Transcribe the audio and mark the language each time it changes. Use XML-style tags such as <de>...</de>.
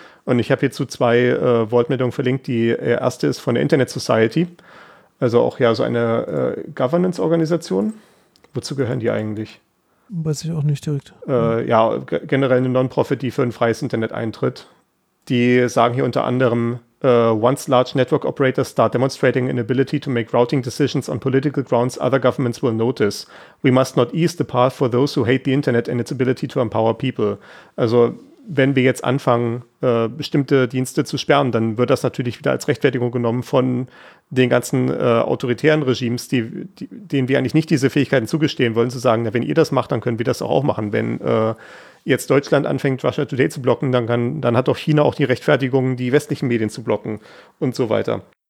<de>Und ich habe hierzu zwei Wortmeldungen verlinkt. Die erste ist von der Internet Society. Also auch ja so eine Governance-Organisation. Wozu gehören die eigentlich? Weiß ich auch nicht direkt. Generell eine Non-Profit, die für ein freies Internet eintritt. Die sagen hier unter anderem,</de> <en>Once large network operators start demonstrating an ability to make routing decisions on political grounds, other governments will notice. We must not ease the path for those who hate the Internet and its ability to empower people.</en> <de>Also, wenn wir jetzt anfangen, bestimmte Dienste zu sperren, dann wird das natürlich wieder als Rechtfertigung genommen von den ganzen autoritären Regimes, denen wir eigentlich nicht diese Fähigkeiten zugestehen wollen, zu sagen, na, wenn ihr das macht, dann können wir das auch machen. Wenn jetzt Deutschland anfängt, Russia Today zu blocken, dann hat doch China auch die Rechtfertigung, die westlichen Medien zu blocken und so weiter.</de>